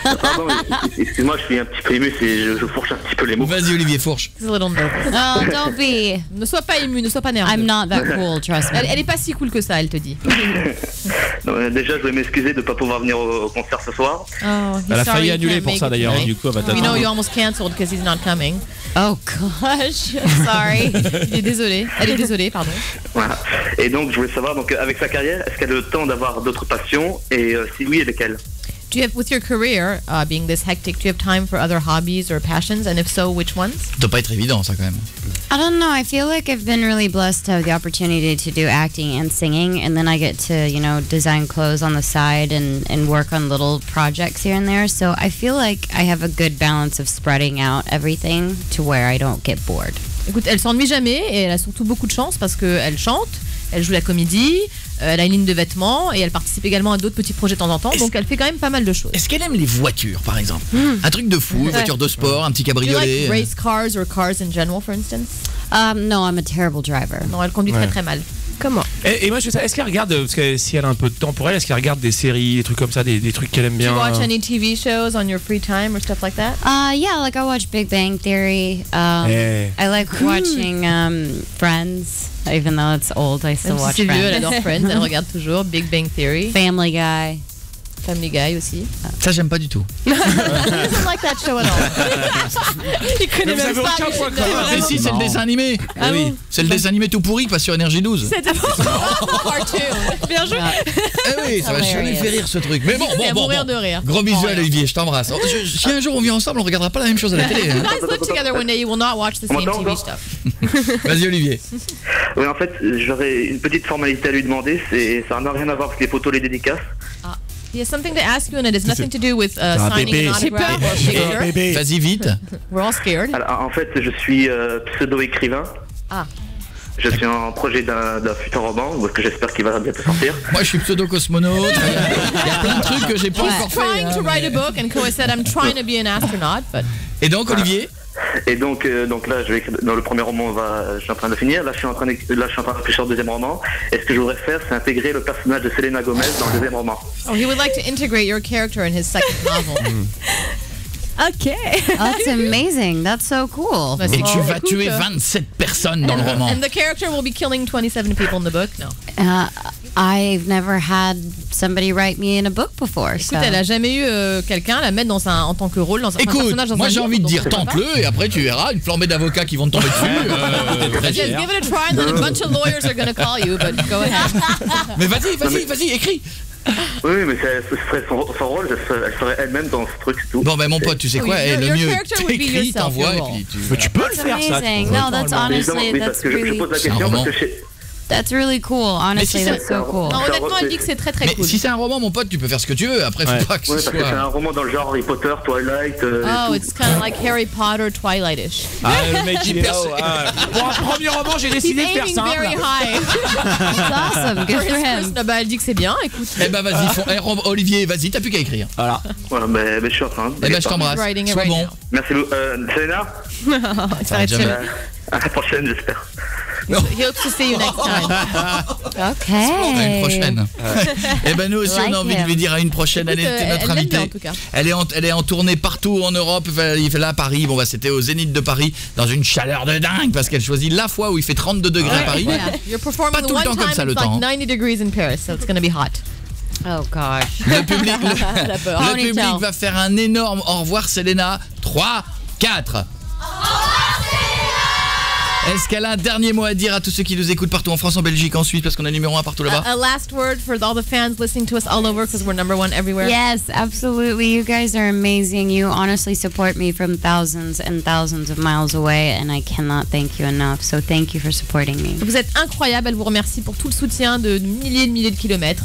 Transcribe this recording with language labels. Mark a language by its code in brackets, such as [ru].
[fr] Pardon, excuse-moi, je suis un petit peu ému, je fourche un petit peu les mots. Vas-y Olivier, fourche. [en] It's a little nervous. Oh, don't be. [fr] Ne sois pas ému, ne sois pas nerveux. [en] I'm not that cool, trust me. [fr] Elle est pas si cool que ça, elle te dit. Déjà, je vais m'excuser de ne pas pouvoir venir au concert ce soir. Oh, elle a failli annuler pour ça d'ailleurs. Du coup, [en] we know you almost cancelled because he's not coming. Oh gosh, sorry. [fr] Elle est désolée, pardon. Voilà. Et donc, je voulais savoir, donc, avec sa carrière, est-ce qu'elle a le temps d'avoir d'autres passions? Et si oui, lesquelles? [en] Do you have, with your career being this hectic, do you have time for other hobbies or passions? And if so, which ones? [fr] Ça doit pas être évident, ça, quand même. [en] I don't know. I feel like I've been really blessed to have the opportunity to do acting and singing. And then I get to, you know, design clothes on the side and work on little projects here and there. So I feel like I have a good balance of spreading out everything to where I don't get bored. [fr] Écoute, elle s'ennuie jamais et elle a surtout beaucoup de chance parce qu'elle chante. Elle joue la comédie, elle a une ligne de vêtements et elle participe également à d'autres petits projets de temps en temps. Donc elle fait quand même pas mal de choses. Est-ce qu'elle aime les voitures, par exemple? Un truc de fou, une voiture de sport, un petit cabriolet. [en] Do you like race cars or cars in general, for instance? No, I'm a terrible driver. [fr] Non, elle conduit très mal. Comment? Et moi, je fais ça. Est-ce qu'elle regarde, parce que si elle a un peu de temps pour elle, est-ce qu'elle regarde des séries, des trucs comme ça, des trucs qu'elle aime bien? [en] Do you watch any TV shows on your free time or stuff like that? Yeah, like I watch Big Bang Theory. Hey. I like watching Friends. Even though it's old, I still watch Friends. [fr] Elle adore Friends, elle regarde toujours Big Bang Theory. [en] Family Guy. [fr] Family Guy aussi. Ça, j'aime pas du tout. [en] He doesn't like that show at all. [fr] Il connaît même pas. Mais vous avez aucun point. Si, c'est le dessin animé. Ah oui. C'est le dessin animé tout pourri qui passe sur NRJ 12. C'est cartoon. Bien joué. Eh oui, ça va surtout faire rire ce truc. Mais bon. Mourir de rire. Gros bisous à Olivier, je t'embrasse. Si un jour on vit ensemble, on regardera pas la même chose à la télé. [en] If you guys live together one day, you will not watch the same TV stuff. [fr] Vas-y Olivier. Oui, en fait, j'aurais une petite formalité à lui demander. Ça n'a rien à voir avec les photos, les dédicaces. [en] He has something to ask you and it has nothing to do with signing an autograph. [fr] Vas-y vite. [en] We're all scared. [fr] Alors, en fait, je suis pseudo-écrivain. Ah. Je suis en projet d'un futur roman que j'espère qu'il va bientôt sortir. Moi, je suis pseudo-cosmonaute. Il y a plein de trucs que j'ai pas encore fait. [en] He's trying to write a book and Koé said I'm trying to be an astronaut. But... [fr] Et donc, Olivier? Et donc là, je vais écrire, dans le premier roman, je suis en train de finir. Là, je suis en train de réfléchir au deuxième roman. Et ce que je voudrais faire, c'est intégrer le personnage de Selena Gomez dans le deuxième roman. [en] Oh, he would like to integrate your character in his second novel. Ok. That's amazing. That's so cool. [fr] Et tu vas tuer 27 personnes dans le roman. [en] And the character will be killing 27 people in the book, no. I've never had somebody write me in a book before. [fr] Écoute, elle a jamais eu quelqu'un la mettre en tant que rôle dans un personnage dans un livre. Moi j'ai envie de dire tente-le et après tu verras une flambée d'avocats qui vont te tomber dessus. [en] Just give it a try and then a bunch of lawyers are gonna call you, but go ahead. [fr] Mais vas-y, écris. Oui, mais ce serait son rôle, elle serait elle-même dans ce truc tout. Bon, mais mon pote, tu sais quoi, et le mieux, t'écris, t'envoies et puis tu peux le faire ça. [en] Non, that's honestly, that's really. [fr] Je pose la question parce que je. [en] That's really cool, honestly, si that's so cool. [fr] Non, honnêtement, elle dit que c'est très très mais cool. Mais si c'est un roman, mon pote, tu peux faire ce que tu veux. Après, faut pas que ce soit. C'est un roman dans le genre Harry Potter, Twilight. Oh, tout. [en] It's kind of like Harry Potter, Twilight-ish. [fr] Ah, le mec, il perce. Pour un premier roman, j'ai décidé de faire ça. [en] He's aiming very high. That's awesome, good for him. [fr] Bah, elle dit que c'est bien, écoute. Eh bah, vas-y, Olivier, vas-y, t'as plus qu'à écrire. Voilà. Ouais, mais je suis en train. Eh bah, je t'embrasse. Sois bon. Merci beaucoup. Selena. Non, ça va être. À la prochaine, j'espère. [en] He hopes to see you next time. [fr] Ok. C'est à une prochaine. Et ben nous aussi, [en] like [fr] on a envie [en] him. [fr] De lui dire à une prochaine. Écoute, elle est notre invitée. Elle est en tournée partout en Europe. Là, à Paris. Bon, bah, c'était au Zénith de Paris, dans une chaleur de dingue, parce qu'elle choisit la fois où il fait 32 degrés à Paris. [en] Yeah. You're performing [fr] pas tout le temps comme ça le temps. [en] Like 90 degrees in Paris, so it's gonna be hot. Oh gosh. [fr] Le public va faire un énorme au revoir, Selena. 3, 4. Au revoir, Selena. Est-ce qu'elle a un dernier mot à dire à tous ceux qui nous écoutent partout en France, en Belgique, en Suisse, parce qu'on est numéro 1 partout là-bas? [en] A last word for all the fans listening to us all over, because we're number 1 everywhere. Yes, absolutely. You guys are amazing. You honestly support me from thousands and thousands of miles away, and I cannot thank you enough. So thank you for supporting me. [fr] Vous êtes incroyable. Elle vous remercie pour tout le soutien de milliers et de milliers de kilomètres.